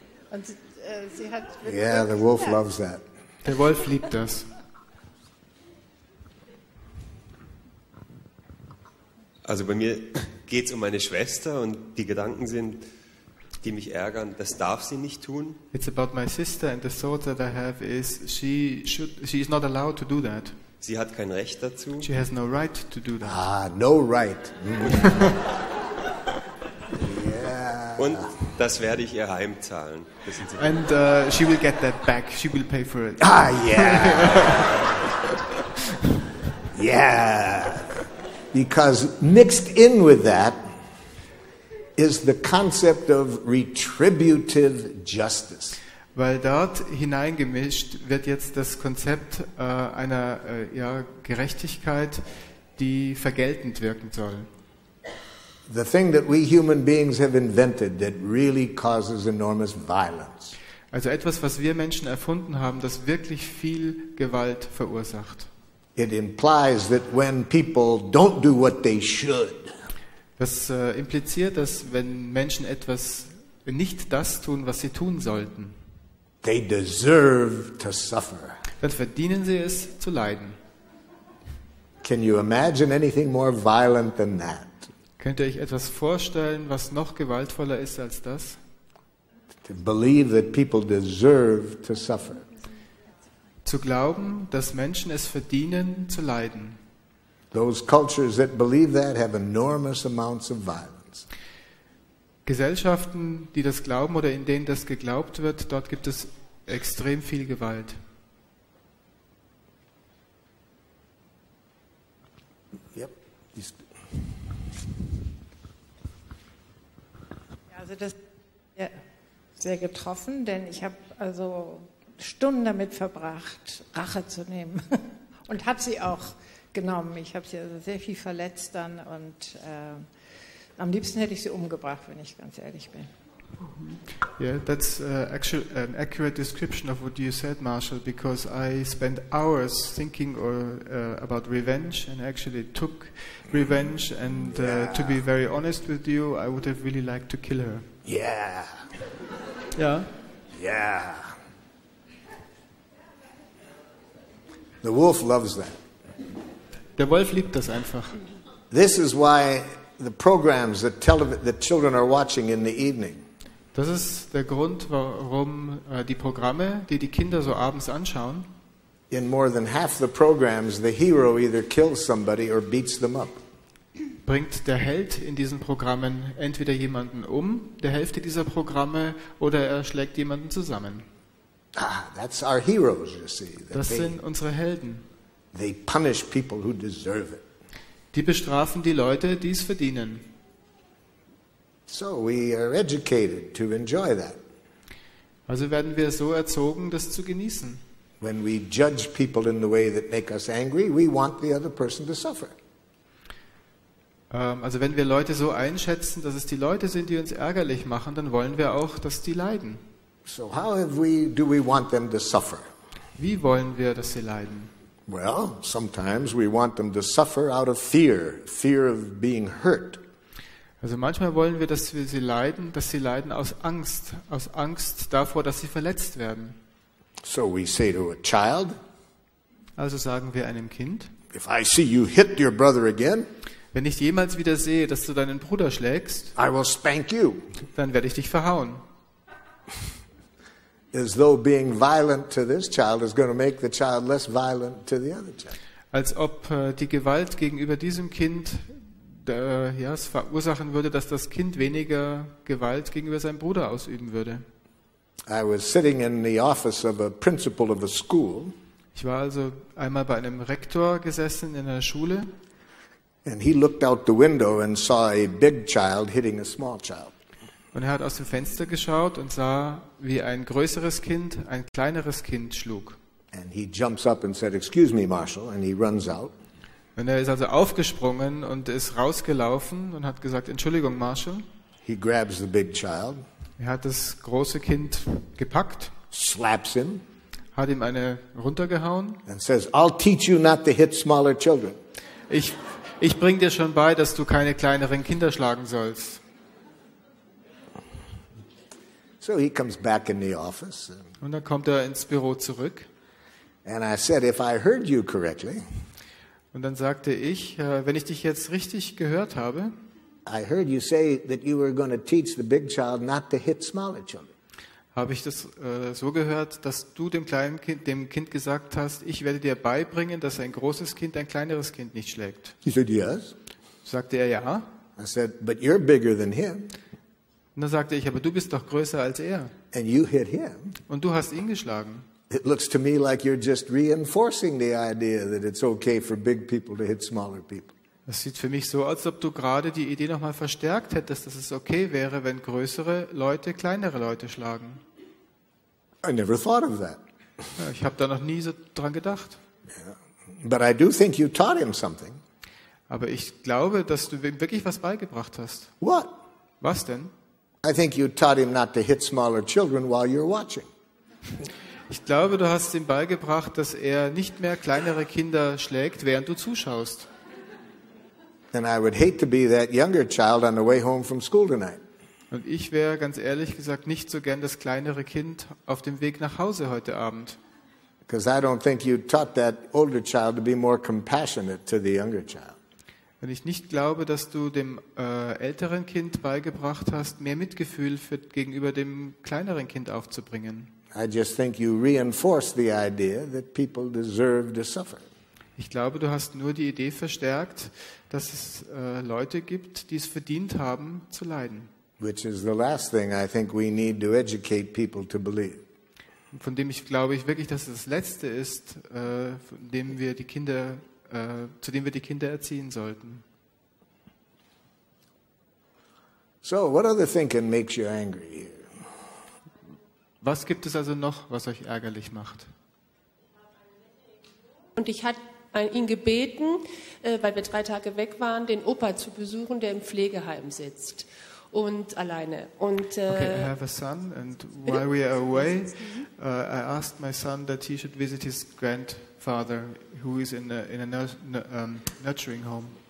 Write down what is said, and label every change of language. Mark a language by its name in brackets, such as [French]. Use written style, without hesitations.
[German] Und, sie hat [English] yeah, the wolf [German] gehört. [English] Loves that. [German] Der Wolf liebt das. Also bei mir geht's um meine Schwester und die Gedanken sind, die mich ärgern, das darf sie nicht tun. [English] It's about my sister and the thought that I have is she is not allowed to do that. [German] Sie hat kein Recht dazu. [English] She has no right to do that. Ah, no right. Yeah. [German] Das werde ich ihr heimzahlen. Wissen Sie? [English] And she will get that back. She will pay for it. Ah, yeah. Yeah. Because mixed in with that is the concept of retributive justice. [German] Weil dort hineingemischt wird jetzt das Konzept einer Gerechtigkeit, die vergeltend wirken soll. [English] The thing that we human beings have invented that really causes enormous violence. [German] Also etwas, was wir Menschen erfunden haben, das wirklich viel Gewalt verursacht. [English] It implies that when people don't do what they should. [German] Das impliziert, dass wenn Menschen etwas nicht das tun, was sie tun sollten. [English] They deserve to suffer. [German] Dann verdienen sie es zu leiden. [English] Can you imagine anything more violent than that? [German] Könnt ihr euch etwas vorstellen, was noch gewaltvoller ist als das? [English] To believe that people deserve to suffer. [German] Zu glauben, dass Menschen es verdienen zu leiden. [English] Those cultures that believe that have enormous amounts of violence. [German] Gesellschaften, die das glauben oder in denen das geglaubt wird, dort gibt es extrem viel Gewalt. [English] Yep. [German] Ja, also das hat mich sehr getroffen, denn ich habe also Stunden damit verbracht, Rache zu nehmen und habe sie auch genommen. Ich habe sie also sehr viel verletzt dann und am liebsten hätte ich sie umgebracht, wenn ich ganz ehrlich bin. [English] Yeah, that's actually an accurate description of what you said, Marshall, because I spent hours thinking about revenge and actually took revenge and to be very honest with you, I would have really liked to kill her. Yeah. Yeah. Yeah. The wolf loves that. [German] Der Wolf liebt das einfach. [English] This is why the programs that the children are watching in the evening. [German] Das ist der Grund, warum die Programme, die die Kinder so abends anschauen. [English] In more than half the programs, the hero either kills somebody or beats them up. [German] Bringt der Held in diesen Programmen entweder jemanden um, der Hälfte dieser Programme, oder er schlägt jemanden zusammen. [English] Ah, that's our heroes, you see. [German] Das sind unsere Helden. [English] They punish people who deserve it. [German] Die bestrafen die Leute, die es verdienen. [English] So we are educated to enjoy that. [German] Also werden wir so erzogen, das zu genießen. [English] When we judge people in the way that make us angry, we want the other person to suffer. [German] Also wenn wir Leute so einschätzen, dass es die Leute sind, die uns ärgerlich machen, dann wollen wir auch, dass die leiden. [English] So how have we do we want them to suffer? [German] Wie wollen wir, dass sie leiden? [English] Well, sometimes we want them to suffer out of fear of being hurt. [German] Also manchmal wollen wir, dass sie leiden aus Angst davor, dass sie verletzt werden. [English] So we say to a child. [German] Also sagen wir einem Kind. [English] If I see you hit your brother again. [German] Wenn ich jemals wieder sehe, dass du deinen Bruder schlägst, [English] I will spank you. [German] Dann werde ich dich verhauen. [English] As though being violent to this child is going to make the child less violent to the other child. [German] Als ob die Gewalt gegenüber diesem Kind es verursachen würde, dass das Kind weniger Gewalt gegenüber seinem Bruder ausüben würde. [English] I was sitting in the office of a principal of a school. [German] Ich war also einmal bei einem Rektor gesessen in einer Schule. [English] And he looked out the window and saw a big child hitting a small child. [German] Und er hat aus dem Fenster geschaut und sah, wie ein größeres Kind ein kleineres Kind schlug. [English] And he jumps up and said, "Excuse me, Marshall," and he runs out. [German] Und er ist also aufgesprungen und ist rausgelaufen und hat gesagt, "Entschuldigung, Marshall." [English] He grabs the big child. [German] Er hat das große Kind gepackt. [English] Slaps him. [German] Hat ihm eine runtergehauen. [English] And says, "I'll teach you not to hit smaller children." [German] Ich bring dir schon bei, dass du keine kleineren Kinder schlagen sollst. [English] So he comes back in the office. [German] Und dann kommt er ins Büro zurück. [English] And I said, "If I heard you correctly." [German] Und dann sagte ich, wenn ich dich jetzt richtig gehört habe, [English] I heard you say that you were going to teach the big child not to hit smaller children. [German] Habe ich das so gehört, dass du dem kleinen Kind, dem Kind gesagt hast, ich werde dir beibringen, dass ein großes Kind ein kleineres Kind nicht schlägt? [English] He said yes. [German] Sagte er ja. [English] I said, but you're bigger than him. [German] Und dann sagte ich, aber du bist doch größer als er. [English] And you hit him. [German] Und du hast ihn geschlagen. [English] It looks to me like you're just reinforcing the idea that it's okay for big people to hit smaller people. [German] Es sieht für mich so aus, als ob du gerade die Idee noch mal verstärkt hättest, dass es okay wäre, wenn größere Leute kleinere Leute schlagen. [English] I never thought of that. [German] Ja, ich habe da noch nie so dran gedacht. [English] Yeah. But I do think you taught him something. [German] Aber ich glaube, dass du ihm wirklich was beigebracht hast. [English] What? [German] Was denn? [English] I think you taught him not to hit smaller children while you're watching. [German] Ich glaube, du hast ihm beigebracht, dass er nicht mehr kleinere Kinder schlägt, während du zuschaust. [English] And I would hate to be that younger child on the way home from school tonight. [German] Und ich wäre ganz ehrlich gesagt nicht so gern das kleinere Kind auf dem Weg nach Hause heute Abend. [English] Because I don't think you taught that older child to be more compassionate to the younger child. [German] Wenn ich nicht glaube, dass du dem älteren Kind beigebracht hast, mehr Mitgefühl für, gegenüber dem kleineren Kind aufzubringen. [English] I just think you reinforce the idea that people deserve to suffer. [German] Ich glaube, du hast nur die Idee verstärkt, dass es Leute gibt, die es verdient haben, zu leiden. [English] Which is the last thing I think we need to educate people to believe. [German] Von dem ich glaube ich wirklich, dass es das Letzte ist, von dem wir die Kinder, zu dem wir die Kinder erziehen sollten. [English] So, what other thinking makes you angry here? [German] Was gibt es also noch, was euch ärgerlich macht? Und ich hatte ihn gebeten, weil wir 3 Tage weg waren, den Opa zu besuchen, der im Pflegeheim sitzt und alleine. Und, [English] okay, I have a son, and while we are away, I asked my son that he should visit his grandfather, who is in a nurturing home.